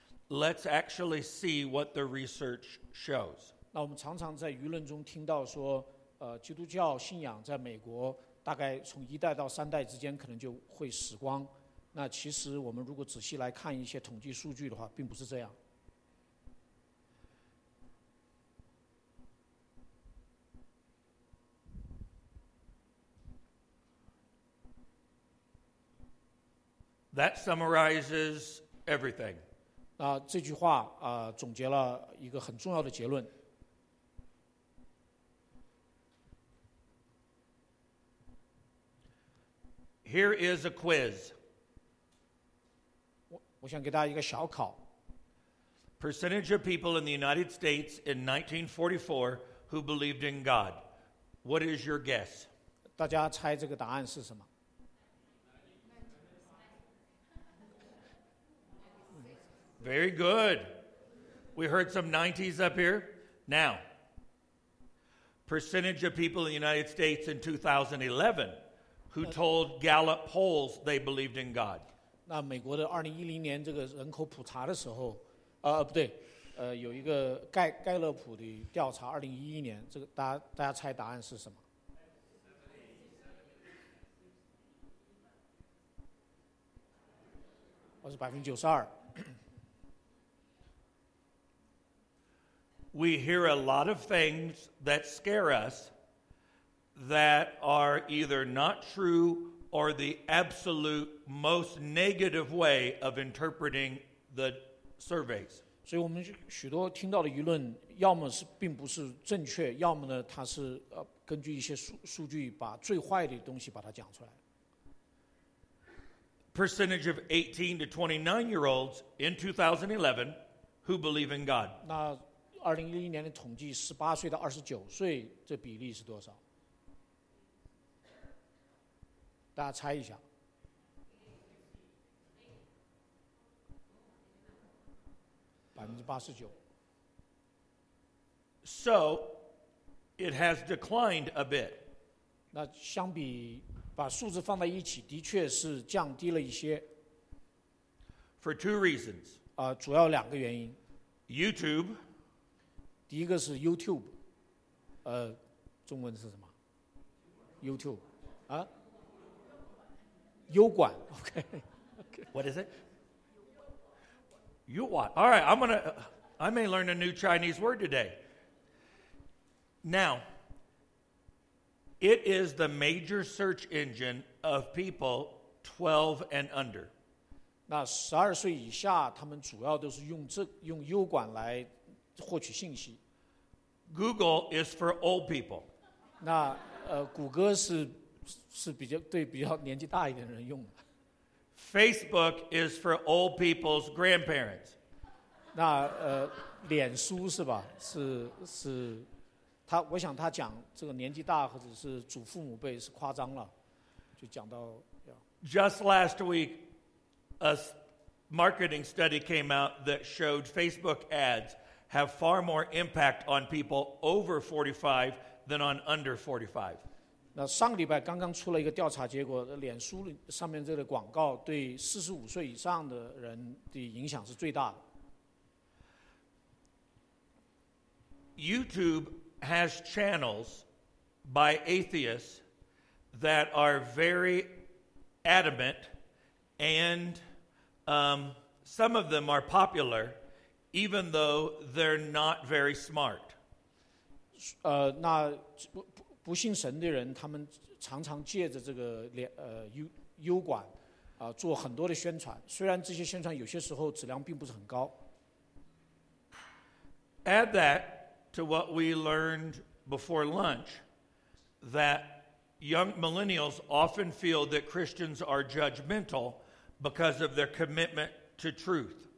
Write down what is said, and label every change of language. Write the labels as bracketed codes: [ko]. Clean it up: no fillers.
[en] Let's actually see what the research shows. [zh] 那我们常常在舆论中听到说，基督教信仰在美国大概从一代到三代之间可能就会死光。那其实我们如果仔细来看一些统计数据的话，并不是这样。 [en] That summarizes everything. [zh] 那这句话总结了一个很重要的结论。 [en] Here is a quiz. [zh] 我想给大家一个小考。 [en] Percentage of people in the United States in 1944 who believed in God. What is your guess? [zh] 大家猜这个答案是什么？ [en] Very good. We heard some 90s up here. Now, percentage of people in the United States in 2011 who told Gallup polls they believed in God. [zh] 那美国的2010年这个人口普查的时候，不对，有一个盖勒普的调查，2011年，这个大家猜答案是什么？我是92%。 [en] We hear a lot of things that scare us that are either not true or the absolute most negative way of interpreting the surveys. [zh] 所以我们许多听到的舆论要么是并不是正确，要么呢它是根据一些数据把最坏的东西把它讲出来。 [en] Percentage of 18 to 29 year olds in 2011 who believe in God. [zh] 那2011年的统计，18岁到29岁，这比例是多少？大家猜一下。 89%。 [en] So, it has declined a bit. [zh] 那相比，把数字放在一起，的确是降低了一些。 [en] For two reasons. [zh] 主要两个原因。 [en] YouTube. [zh] 第一个是 YouTube， 中文是什么 ？YouTube， 啊，优管 ，OK， [en] What is it？ You what？ All right， I may learn a new Chinese word today. Now, it is the major search engine of people 12 and under. [zh] 那12岁以下，他们主要都是用优管来获取信息。 [en] Google is for old people. [zh] 那谷歌是比较对比较年纪大一点的人用的。 [en] Facebook is for old people's grandparents. [zh] 那脸书是吧？是他，我想他讲这个年纪大或者是祖父母辈是夸张了，就讲到。 [en] Just last week, a marketing study came out that showed Facebook ads. Have far more impact on people over 45 than on under 45. [zh] 那上个礼拜刚刚出了一个调查结果，脸书上面这个广告对45岁以上的人的影响是最大的。 [en] YouTube has channels by atheists that are very adamant, and some of them are popular. Even though they're not very smart. [zh] 那不信神的人，他们常常借着这个优管，做很多的宣传。虽然这些宣传有些时候质量并不是很高。 [en] Add that to what we learned before lunch, that young millennials often feel that Christians are judgmental because of their commitment to truth.